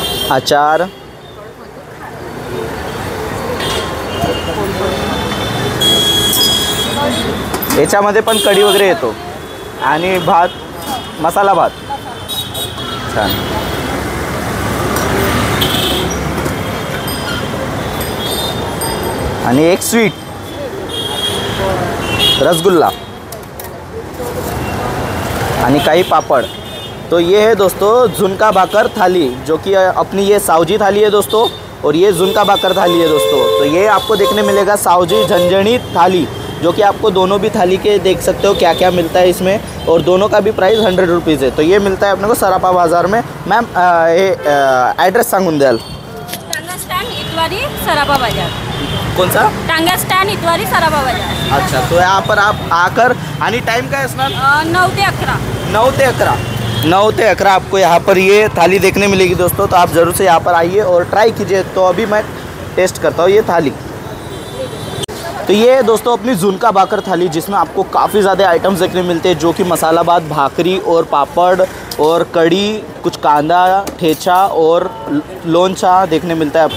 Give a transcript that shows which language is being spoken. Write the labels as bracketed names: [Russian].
[Marathi] अचार, याच्यामध्ये पण कढी वगैरे येतो आणि भात, मसाला भात। छान, आणि एक स्वीट रसगुल्ला आणि काही पापड। [Hindi] तो ये है दोस्तों झुनका भाकर थाली, जो कि अपनी ये सावजी थाली है दोस्तों और ये झुनका भाकर थाली है दोस्तों। तो ये आपको देखने मिलेगा सावजी झंझनी थाली, जो कि आपको दोनों भी थाली के देख सकते हो क्या क्या मिलता है इसमें, और दोनों का भी प्राइस 100 रुपीज़ है। तो ये मिलता है अपने को सराफा बाजार में। [Marathi] मैम एड्रेस सांगून द्याल। टांगा स्टँड इतवारी सराफा बाजार। [Hindi] कौन सा? [Marathi] टांगा स्टँड इतवारी सराफा बाजार। [Hindi] अच्छा, तो यहाँ पर आप आकर, [Marathi] आणि टाइम काय असणार? 9 ते 11 9 ते 11 [Hindi] आपको यहाँ पर ये थाली देखने मिलेगी दोस्तों। तो आप जरूर से यहाँ पर आइए और ट्राई कीजिए। तो अभी मैं टेस्ट करता हूँ ये थाली। तो ये है दोस्तों अपनी झुनका भाकर थाली, जिसमें आपको काफ़ी ज़्यादा आइटम्स देखने मिलते हैं, जो कि मसाला भात, भाकरी और पापड़ और कढ़ी, कुछ कांदा, ठेचा और लोनचा देखने मिलता है।